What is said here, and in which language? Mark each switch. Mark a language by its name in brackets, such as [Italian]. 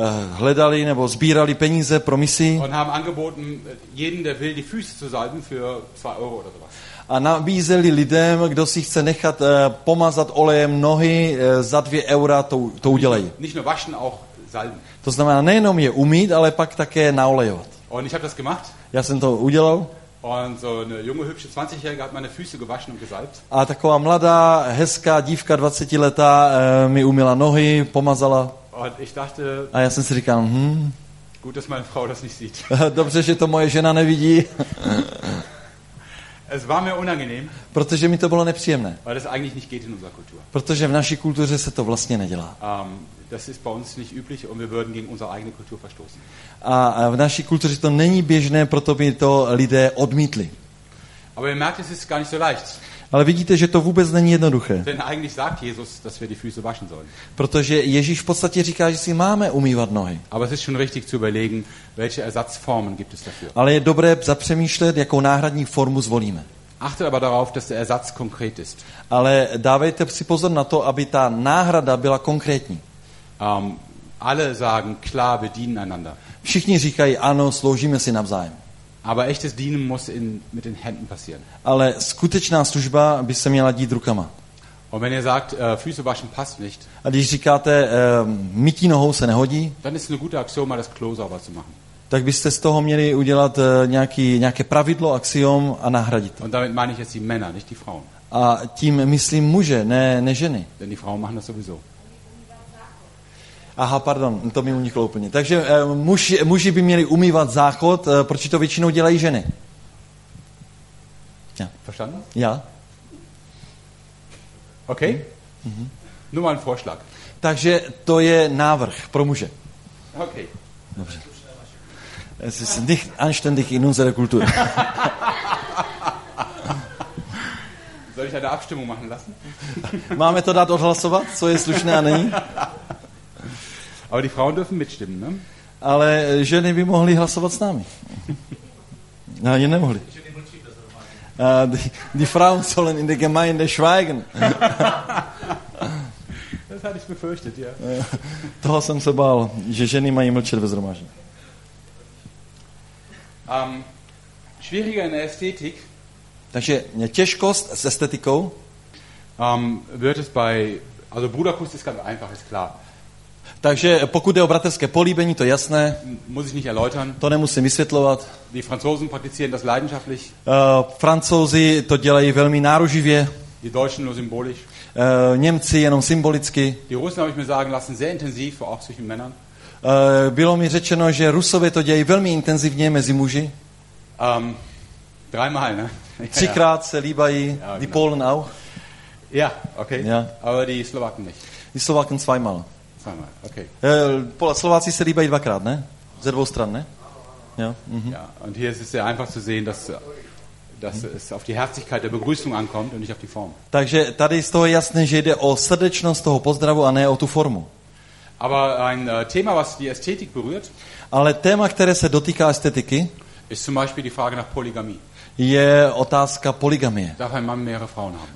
[Czech] Hledali nebo sbírali peníze pro misi. [German] Und haben angeboten, jeden, der will, die Füße zu salben für 2 Euro oder sowas. [Czech] A nabízeli lidem, kdo si chce nechat pomazat olejem nohy za 2 eura, to udělají. [German] Nicht nur waschen, auch salben. [Czech] To znamená nejenom je umýt, ale pak také naolejovat. [German] Und ich habe das gemacht. [Czech] Já jsem to udělal. [German] Und so eine junge hübsche 20-jährige hat meine Füße gewaschen und gesalbt. [Czech] A taková mladá hezká dívka 20 letá mi umyla nohy, pomazala. [German] Und ich dachte, [Czech] a já jsem si říkal, [German] gut, dass meine Frau das nicht sieht. [Czech] Dobře, že to moje žena nevidí. [German] Es war mir unangenehm. [Czech] Protože mi to bylo nepříjemné. [German] Weil das eigentlich nicht geht in unserer Kultur. [Czech] Protože v naší kultuře se to vlastně nedělá. [German] Das ist bei uns nicht üblich und wir würden gegen unsere eigene Kultur verstoßen. [Czech] A v naší kultuře to není běžné, proto by to lidé odmítli. [German] Aber ihr merkt, es ist gar nicht so leicht. [Czech] Ale vidíte, že to vůbec není jednoduché. [German] Denn eigentlich sagt Jesus, dass wir die Füße waschen sollen. [Czech] Protože Ježíš v podstatě říká, že si máme umývat nohy. [German] Aber es ist schon richtig zu überlegen, welche Ersatzformen gibt es dafür. [Czech] Ale je dobré zapřemýšlet, jakou náhradní formu zvolíme. [German] Achtet aber darauf, dass der Ersatz konkret ist. [Czech] Ale dávejte si pozor na to, aby ta náhrada byla konkrétní. [German] Alle sagen klar, wir dienen einander. [Czech] Všichni říkají ano, sloužíme si navzájem. [German] Aber echtes dienen muss mit den Händen passieren. [Czech] Ale skutečná služba by se měla dít rukama. [German] Und wenn ihr sagt, Füße waschen passt nicht. [Czech] A když říkáte, mytí nohou se nehodí. [German] Dann ist eine gute Aktion, mal das Klo sauber zu machen. [Czech] Tak byste z toho měli udělat nějaké pravidlo, axiom a nahradit. [German] Und damit meine ich jetzt die Männer, nicht die Frauen. [Czech] A tím myslím muže, ne ženy. [German] Denn die Frauen machen das sowieso. [Czech] Aha, pardon, to mi uniklo úplně. Takže muži by měli umývat záchod, proč to většinou dělají ženy? [German] Ja. Verstanden? Ja. Okay. Nur mal ein Vorschlag. [Czech] Takže to je návrh pro muže. [English] Okay. [Czech] Dobře. [German] Es ist nicht anständig in unserer Kultur. Soll ich eine Abstimmung machen lassen? [Czech] Máme to dát odhlasovat, co je slušné a není? [German] Aber die Frauen dürfen mitstimmen, ne? [Czech] Ale ženy by mohly hlasovat s námi. No, je nemohly. [German] Die Frauen sollen in der Gemeinde schweigen. Das hatte ich befürchtet, ja. [Czech] Toho jsem se bál, že ženy mají mlčet ve zhromáždění. [German] Schwieriger in der Ästhetik. [Czech] Takže těžkost s estetikou. [German] Wird es bei, also Bruderkuss ist ganz einfach, ist klar. [Czech] Takže pokud je o bratrské políbení, to jasné. [German] Muss ich nicht erläutern. [Czech] To nemusím vysvětlovat. [German] Die Franzosen praktizieren das leidenschaftlich. [Czech] Francouzi to dělají velmi náruživě. [German] Die Deutschen nur symbolisch. [Czech] Němci jenom symbolicky. [German] Die Russen habe ich mir sagen lassen sehr intensiv, auch zwischen Männern. [Czech] Bylo mi řečeno, že Rusové to dělají velmi intenzivně mezi muži. [German] Dreimal, ne? [Czech] Třikrát se líbají. [German] Ja, die Polen auch. Ja, okay. Ja. Aber die Slowaken nicht. Die Slowaken zweimal. Okay. [Czech] Slováci se líbají dvakrát, ne? Ze dvou stran, ne? [German] Ja, ja, und hier ist es sehr einfach zu sehen, dass es auf die Herzlichkeit der Begrüßung ankommt und nicht auf die Form. [Czech] Takže tady z toho je jasné, že jde o srdečnost toho pozdravu a ne o tu formu. [German] Aber ein Thema, was die Ästhetik berührt, [Czech] ale téma, které se dotýká estetiky, [German] ist zum Beispiel die Frage nach Polygamie. [Czech] Je otázka polygamie. [German] Darf ein Mann mehrere Frauen haben?